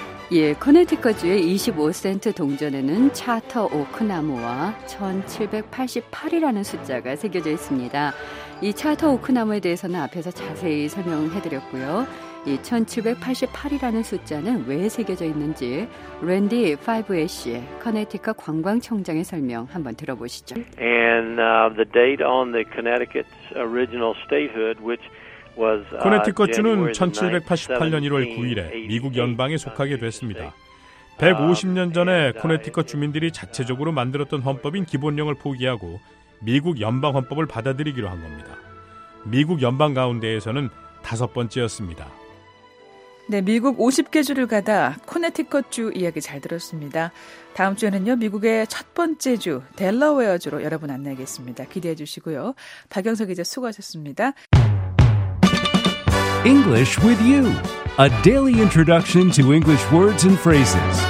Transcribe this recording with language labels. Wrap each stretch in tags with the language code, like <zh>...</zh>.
<ko>예, 코네티컷주의 25센트 동전에는 차터 오크 나무와 1788이라는 숫자가 새겨져 있습니다. 이 차터 오크 나무에 대해서는 앞에서 자세히 설명을 해드렸고요. 이 1788이라는 숫자는 왜 새겨져 있는지 랜디 파이브애쉬 커네티컷 관광청장의 설명 한번 들어보시죠.</ko> <en>And the date on the Connecticut's original statehood, which</en> <ko>코네티컷 주는 1788년 1월 9일에 미국 연방에 속하게 됐습니다. 150년 전에 코네티컷 주민들이 자체적으로 만들었던 헌법인 기본령을 포기하고 미국 연방 헌법을 받아들이기로 한 겁니다. 미국 연방 가운데에서는 다섯 번째였습니다. 네, 미국 50개 주를 가다 코네티컷 주 이야기 잘 들었습니다. 다음 주에는요, 미국의 첫 번째 주 델라웨어 주로 여러분 안내하겠습니다. 기대해 주시고요. 박영석 기자 수고하셨습니다.</ko> <en>English with you. A daily introduction to English words and phrases.</en>